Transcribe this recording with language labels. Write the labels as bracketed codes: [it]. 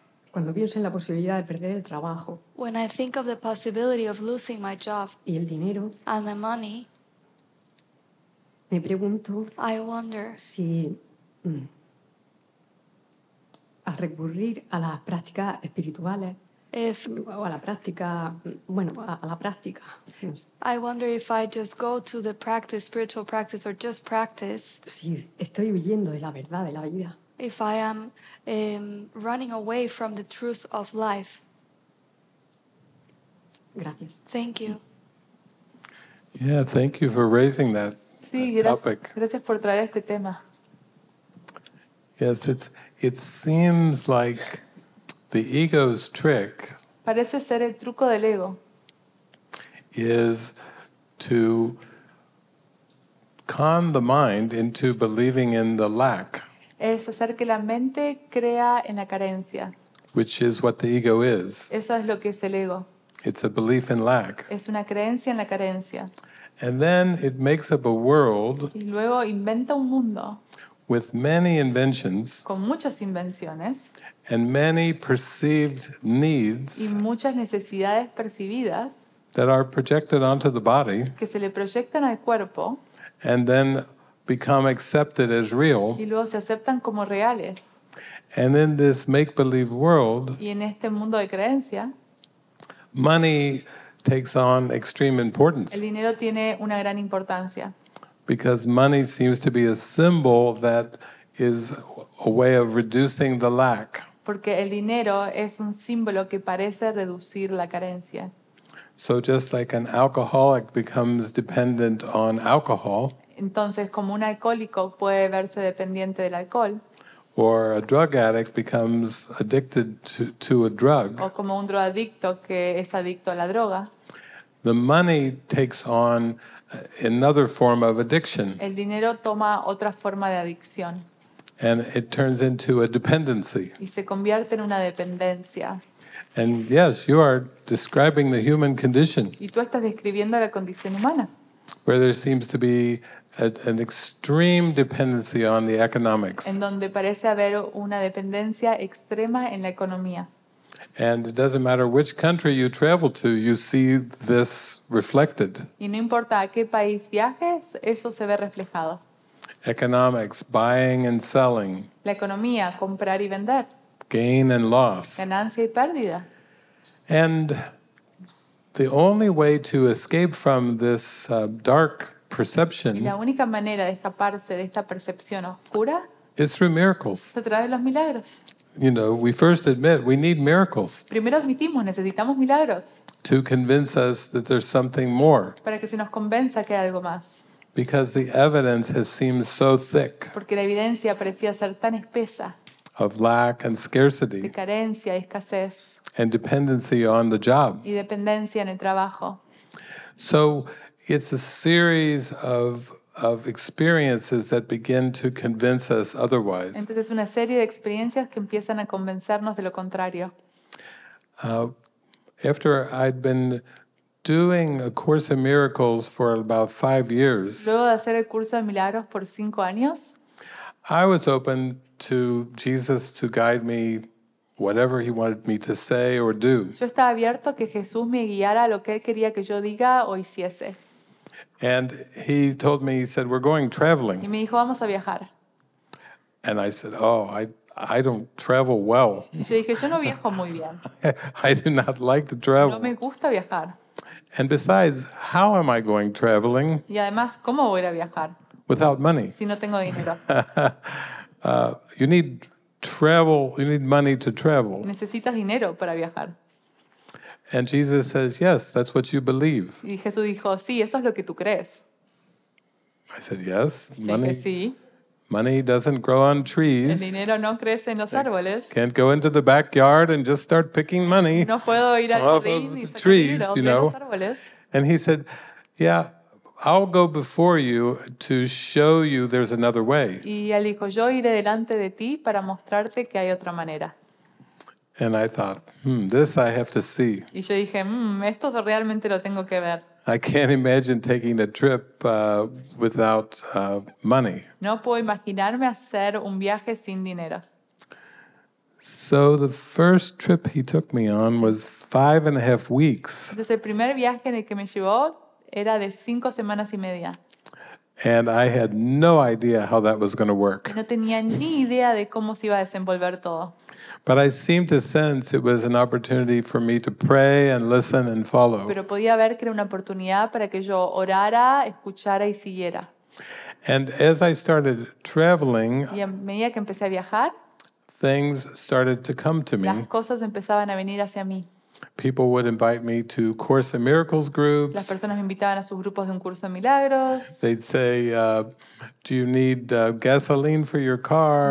[es] Cuando pienso en la posibilidad de perder el trabajo. [en] When I think of the possibility of losing my job. [es] Y el dinero. [en] And the money. [es] Me pregunto. [en] I wonder. [es] Si al recurrir a las prácticas espirituales. [en] If, [es] o a la práctica, bueno, a la práctica. [en] I wonder if I just go to the practice, spiritual practice, or just practice. [es] Si estoy huyendo de la verdad de la vida. [en] If I am running away from the truth of life. [es] Gracias. [en] Thank you. Yeah, thank you for raising that topic. [es] Gracias por traer este tema. [en] Yes, it seems like the ego's trick. [es] Parece ser el truco del ego. [en] Is to con the mind into believing in the lack. [es] Es hacer que la mente crea en la carencia. [en] Which is what the ego is. [es] Eso es lo que es el ego. [en] It's a belief in lack. [es] Es una creencia en la carencia. [en] And then it makes up a world. [es] Y luego inventa un mundo. [en] With many inventions. [es] Con muchas invenciones. [en] And many perceived needs. [es] Y muchas necesidades percibidas. [en] That are projected onto the body. [es] Que se le proyectan al cuerpo. [en] And then become accepted as real. [es] Y luego se aceptan como reales. [en] And in this make-believe world. [es] Y en este mundo de creencia. [en] Money takes on extreme importance. [es] El dinero tiene una gran importancia. [en] Because money seems to be a symbol that is a way of reducing the lack. [es] Porque el dinero es un símbolo que parece reducir la carencia. [en] So just like an alcoholic becomes dependent on alcohol. [es] Entonces, como un alcohólico puede verse dependiente del alcohol. [en] Or a drug addict becomes addicted to a drug. [es] O como un drogadicto que es adicto a la droga. [en] The money takes on another form of addiction. [es] El dinero toma otra forma de adicción. [en] And it turns into a dependency. [es] Y se convierte en una dependencia. [en] And yes, you are describing the human condition. [es] Y tú estás describiendo la condición humana. [en] Where there seems to be an extreme dependency on the economics. [es] En donde parece haber una dependencia extrema en la economía. [en] And it doesn't matter which country you travel to, you see this reflected. [es] Y no importa a qué país viajes, eso se ve reflejado. [en] Economics, buying and selling. [es] La economía, comprar y vender. [en] Gain and loss. [es] Ganancia y pérdida. [en] And the only way to escape from this dark perception. [es] Y la única manera de escaparse de esta percepción oscura. [en] Is through miracles. [es] Se trae los milagros. [en] You know, we first admit we need miracles. [es] Primero admitimos, necesitamos milagros. [en] To convince us that there's something more. [es] Para que se nos convenza que hay algo más. [en] Because the evidence has seemed so thick. [es] Porque la evidencia parecía ser tan espesa. [en] Of lack and scarcity. [es] De carencia y escasez. [en] And dependency on the job. [es] Y dependencia en el trabajo. [en] So it's a series of experiences that begin to convince us otherwise. [es] Entonces es una serie de experiencias que empiezan a convencernos de lo contrario. [en] After I'd been doing A Course in Miracles for about 5 years. [es] Luego de hacer el curso de milagros por 5 años. [en] I was open to Jesus to guide me whatever he wanted me to say or do. [es] Yo estaba abierto que Jesús me guiara lo que él quería que yo diga o hiciese. [en] And he told me, he said, we're going traveling. [es] Y me dijo, vamos a viajar. [en] And I said, oh, I don't travel well. [es] Y yo dije, yo no viajo muy bien. [en] I do not like to travel. [es] No me gusta viajar. [en] And besides, how am I going traveling? [es] Y además, ¿cómo voy a viajar? [en] Without money. [es] Si no tengo dinero. [en] You need travel, you need money to travel. [es] Necesitas dinero para viajar. [en] And Jesus says, yes, that's what you believe. [es] Y Jesús dijo, sí, eso es lo que tú crees. [en] I said, yes, money. [es] Sí, que sí. [en] Money doesn't grow on trees. [es] El dinero no crece en los árboles. [en] Can't go into the backyard and just start picking money. [es] No puedo ir al jardín [en] off of the trees, you know. And he said, yeah, I'll go before you to show you there's another way. [es] Y él dijo, yo iré delante de ti para mostrarte que hay otra manera. [en] And I thought, this I have to see. [es] Y yo dije, esto realmente lo tengo que ver. [en] I can't imagine taking a trip without money. [es] No puedo imaginarme hacer un viaje sin dinero. [en] So the first trip he took me on was 5.5 weeks. [es] Entonces el primer viaje en el que me llevó era de 5 semanas y media. [en] And I had no idea how that was going to work. [es] No tenía ni idea de cómo se iba a desenvolver todo. [en] But I seemed to sense it was an opportunity for me to pray and listen and follow. [es] Pero podía ver que era una oportunidad para que yo orara, escuchara y siguiera. [en] And as I started traveling, [es] y a medida que empecé a viajar, [en] things started to come to me. [es] Las cosas empezaban a venir hacia mí. [en] People would invite me to Course in Miracles groups. [es] Las personas me invitaban a sus grupos de un curso de milagros. [en] They'd say, "Do you need gasoline for your car?"